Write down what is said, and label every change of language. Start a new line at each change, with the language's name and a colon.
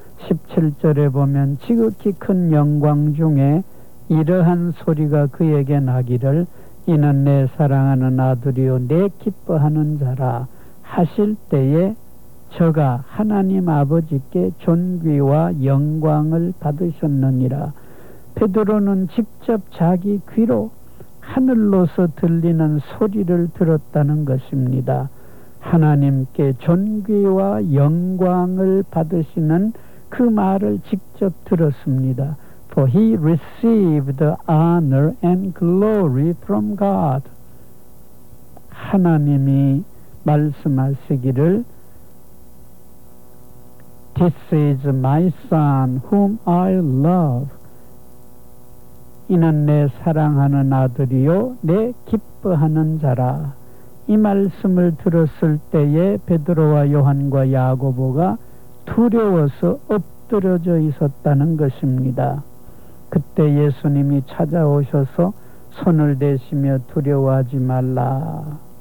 Korean: 17절에 보면 지극히 큰 영광 중에 이러한 소리가 그에게 나기를 이는 내 사랑하는 아들이요 내 기뻐하는 자라 하실 때에 저가 하나님 아버지께 존귀와 영광을 받으셨느니라. 베드로는 직접 자기 귀로 하늘로서 들리는 소리를 들었다는 것입니다. 하나님께 존귀와 영광을 받으시는 그 말을 직접 들었습니다.
English: For he received the honor and glory from God.
Korean: 하나님이 말씀하시기를
English: This is my son whom I love.
Korean: 이는 내 사랑하는 아들이요 내 기뻐하는 자라. 이 말씀을 들었을 때에 베드로와 요한과 야고보가 두려워서 엎드려져 있었다는 것입니다. 그때 예수님이 찾아오셔서 손을 대시며 두려워하지 말라.